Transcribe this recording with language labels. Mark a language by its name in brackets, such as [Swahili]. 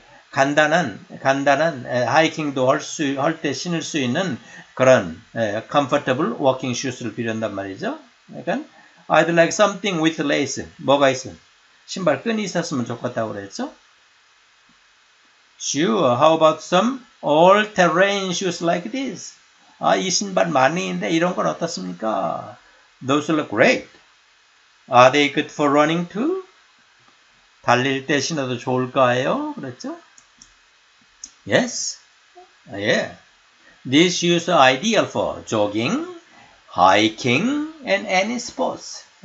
[Korean] 간단한 하이킹도 할 때 신을 수 있는 그런 comfortable walking shoes를 필요한단 말이죠. 그러니까 [English] I'd like something with lace. [Korean] 뭐가 있어? 신발 끈이 있었으면 좋겠다고 그랬죠? [English] Sure, how about some all-terrain shoes like this? [Korean] 아, 이 신발 만능인데 이런 건 어떻습니까? [English] Those look great. Are they good for running too? [Korean] 달릴 때 신어도 좋을까요? 그랬죠? [English] Yes. Yeah. These shoes are ideal for jogging. Hiking and any sports.